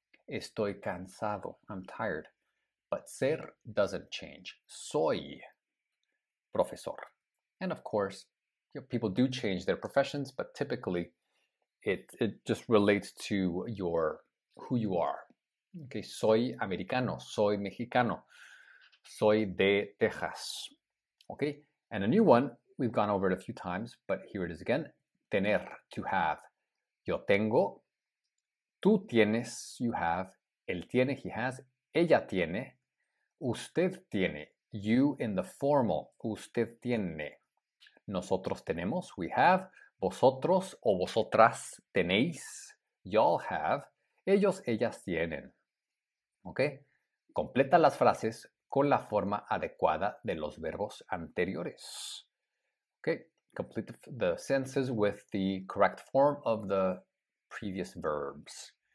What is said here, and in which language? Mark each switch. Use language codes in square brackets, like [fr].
[es] Estoy cansado. [en] I'm tired. But ser doesn't change. [es] Soy profesor. [en] And of course, you know, people do change their professions, but typically it just relates to your who you are. [es] Okay, soy americano, soy mexicano, soy de Texas. [en] Okay, and a new one, we've gone over it a few times, but here it is again. [es] Tener, [en] to have. [es] Yo tengo, tú tienes, [en] you have, [es] él tiene, [en] he has, [es] ella tiene, usted tiene, [en] you in the formal, [es] usted tiene. Nosotros tenemos, [en] we have, [es] vosotros o vosotras tenéis, [en] y'all have, [es] ellos, ellas tienen. ¿Ok? Completa las frases con la forma adecuada de los verbos anteriores. ¿Ok? [en] Complete the sentences with the correct form of the previous verbs.